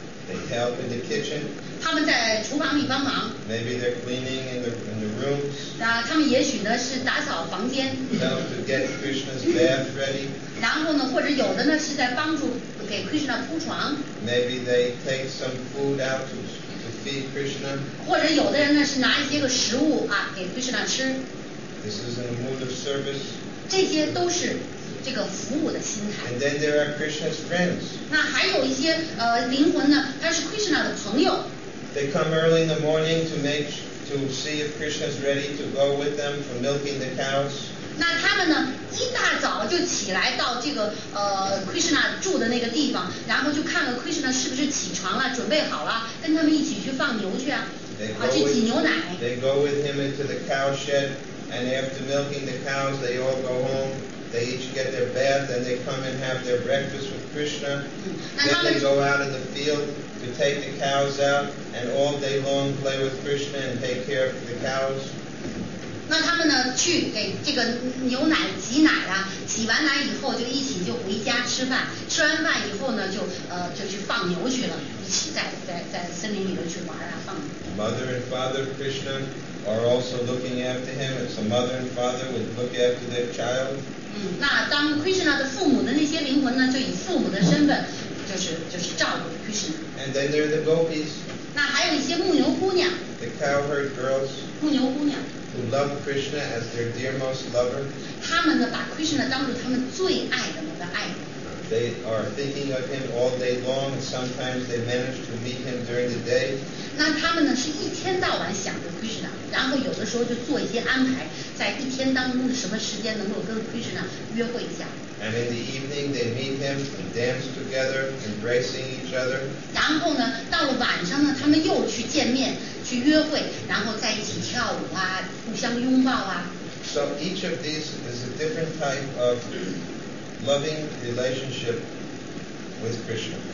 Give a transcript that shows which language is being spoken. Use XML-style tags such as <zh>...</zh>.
<en>They help in the kitchen.</en> <zh>他们在厨房里帮忙。</zh> <en>Maybe they're cleaning in the rooms.</en> <zh>他们也许呢是打扫房间。</zh> <en>Help to get Krishna's bath ready.</en> <zh>然后呢，或者有的呢是在帮助给 Krishna 铺床。</zh> <en>Maybe they take some food out to feed Krishna.</en> <zh>或者有的人呢是拿一些个食物啊给 Krishna 吃。</zh> <en>This is in a mood of service.</en> <zh>这些都是这个服务的心态。</zh> <en>And then there are Krishna's friends.</en> <zh>那还有一些灵魂呢，他是 Krishna 的朋友。</zh> <en>They come early in the morning to see if Krishna's ready to go with them for milking the cows.</en> <zh>那他们呢，一大早就起来到这个Krishna 住的那个地方，然后就看看 Krishna 是不是起床了，准备好了，跟他们一起去放牛去啊，去挤牛奶。</zh> <en>They go with him into the cow shed, and after milking the cows, they all go home. They each get their bath and they come and have their breakfast with Krishna. Then they go out in the field to take the cows out and all day long play with Krishna and take care of the cows.</en> <zh>那他们呢去给这个牛奶挤奶啊，挤完奶以后就一起就回家吃饭，吃完饭以后呢就去放牛去了，一起在森林里头去玩啊放牛。</zh> <en>Mother and father Krishna are also looking after him. It's a mother and father would look after their child.</en> <zh>那当 Krishna 的父母的那些灵魂呢，就以父母的身份，就是照顾 Krishna。</zh> <en>And then there are the gopis.</en> <zh>那还有一些牧牛姑娘。</zh> <en>The cowherd girls.</en> <zh>牧牛姑娘。</zh> <en>Who love Krishna as their dearmost lover.</en> <zh>他们呢，把 Krishna 当作他们最爱的那个爱的。</zh> <en>They are thinking of him all day long, and sometimes they manage to meet him during the day.</en> <zh>那他们呢，是一天到晚想着 Krishna， 然后有的时候就做一些安排，在一天当中的什么时间能够跟 Krishna 约会一下。</zh> <en>And in the evening, they meet him and dance together, embracing each other.</en> <zh>然后呢，到了晚上呢，他们又去见面，去约会，然后在一起跳舞啊，互相拥抱啊。</zh> <en>So each of these is a different type of loving relationship with Krishna.</en>